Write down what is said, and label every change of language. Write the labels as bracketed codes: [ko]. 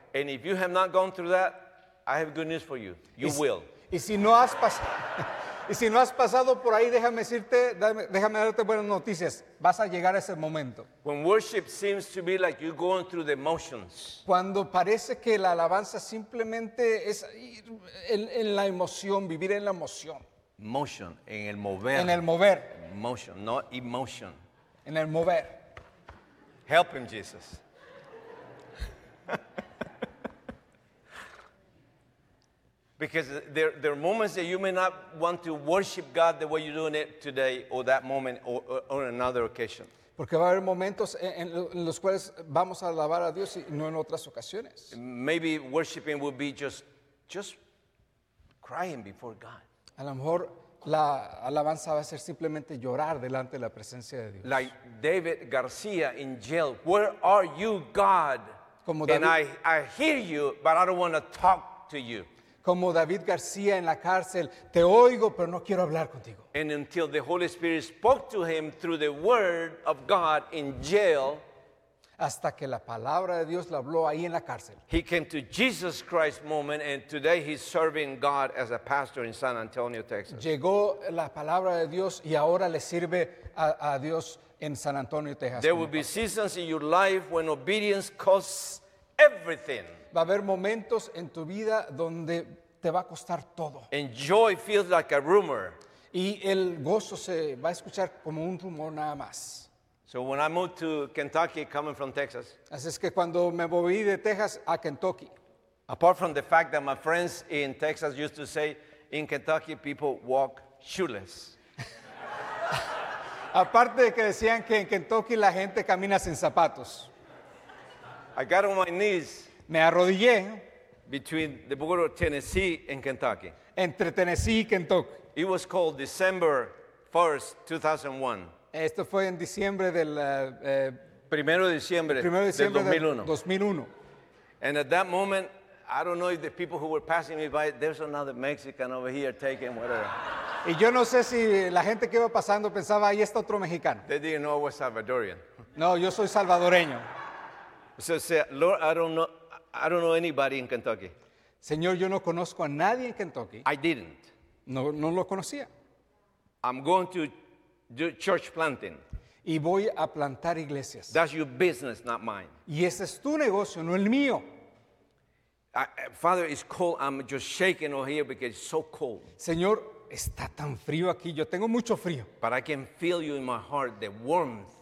[en] And if you have not gone through that, I have good news for you. You will. [es] Y si no has y si no has pasado por ahí, déjame decirte, déjame darte buenas noticias. Vas a llegar a ese momento. [en] When worship seems to be like you're going through the motions. [es] Cuando parece que la alabanza simplemente es ir en la emoción, vivir en la emoción. Motion, en el mover. En el mover. [en] Motion, not emotion. [es] En el mover. [en] Help him, Jesus. Because there are moments that you may not want to worship God the way you're doing it today or that moment or another occasion. [es] Porque va a haber momentos en los cuales vamos a alabar a Dios y no en otras ocasiones. [en] Maybe worshiping would be just crying before God. [es] A lo mejor la alabanza va a ser simplemente llorar delante de la presencia de Dios. [en] Like David Garcia in jail, where are you, God? [es] Como David, [en] and I hear you, but I don't want to talk to you. [es] Como David García en la cárcel, te oigo, pero no quiero hablar contigo. [en] And until the Holy Spirit spoke to him through the word of God in jail, [es] hasta que la palabra de Dios le habló ahí en la cárcel. [en] He came to Jesus Christ moment, and today he's serving God as a pastor in San Antonio, Texas. [es] Llegó la palabra de Dios y ahora le sirve a Dios en San Antonio, Texas. [en] There will be seasons in your life when obedience costs everything. [es] Va a haber momentos en tu vida donde te va a costar todo. [en] And joy feels like a rumor. [es] Y el gozo se va a escuchar como un rumor nada más. [en] So when I moved to Kentucky, coming from Texas. [es] Así es que cuando me moví de Texas a Kentucky. [en] Apart from the fact that my friends in Texas used to say, in Kentucky people walk shoeless. [es] Aparte de que decían que en Kentucky la gente camina sin zapatos. [en] I got on my knees. [es] Me arrodillé. [en] Between the border of Tennessee and Kentucky. [es] Entre Tennessee y Kentucky. [en] It was called December 1st, 2001. [es] Esto fue en diciembre del... Primero de diciembre del 2001. [en] And at that moment, I don't know if the people who were passing me by, there's another Mexican over here taking whatever. [es] Y yo no sé si la gente que iba pasando pensaba, ahí está otro mexicano. [en] They didn't know I was Salvadorian. [es] No, yo soy salvadoreño. [en] So say, Lord, I don't know anybody in Kentucky. [es] Señor, yo no conozco a nadie en Kentucky. [en] I didn't. [es] No lo conocía. [en] I'm going to do church planting. [es] Y voy a plantar iglesias. [en] That's your business, not mine. [es] Y ese es tu negocio, no el mío. [en] Father, it's cold. I'm just shaking over here because it's so cold. [es] Señor, está tan frío aquí. Yo tengo mucho frío. [en] But I can feel you in my heart, the warmth.